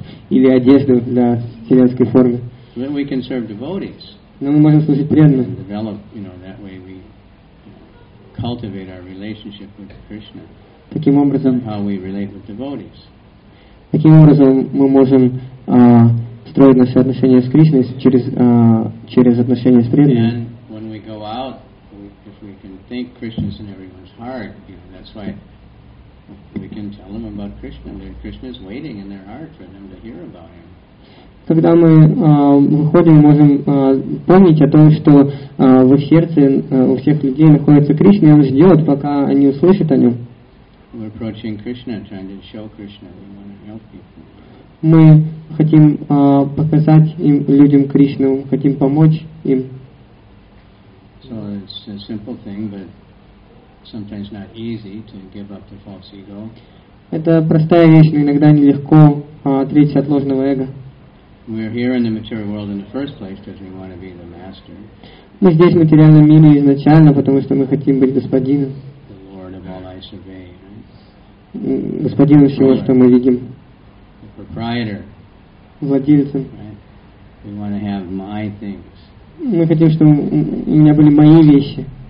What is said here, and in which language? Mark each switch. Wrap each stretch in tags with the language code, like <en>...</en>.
<ru>или одежду для вселенской формы.</ru> <en>Then we can serve devotees.</en> <ru>Но мы можем служить преданным.</ru> <en>And develop, you know, that way we cultivate our relationship with Krishna.</en> <ru>Таким образом,</ru> <en>how we relate with devotees.</en> <ru>Таким образом мы можем строить наши отношения с Кришной через через отношения с преданными.</ru> <en>And when we go out, if we can think Krishna's in everyone's heart, you know, that's why we can tell them about Krishna. Krishna is waiting in their heart for them to hear about him.</en> <ru>Когда мы выходим, можем помнить о том, что в их сердце у всех людей находится Кришна, и он ждет, пока они услышат о нем.</ru> <en>We're approaching Krishna, trying to show Krishna we want to help people.</en> <ru>Мы хотим показать им, людям Кришну, хотим помочь им.</ru> <en>So it's a simple thing, but sometimes not easy to give up the false ego.</en> <ru>Это простая вещь, но иногда нелегко отречься от ложного эго.</ru> <en>We're here in the material world in the first place because we want to be the master.</en> <ru>Мы здесь в материальном мире изначально, потому что мы хотим быть господином.</ru> <en>The Lord of all I survey, right?</en> <ru>Господином всего, что мы видим.</ru> <en>The proprietor.</en> <ru>Владельцем.</ru> <en>Right? We want to have my things.</en> <ru>Мы хотим, чтобы у меня были мои вещи.</ru>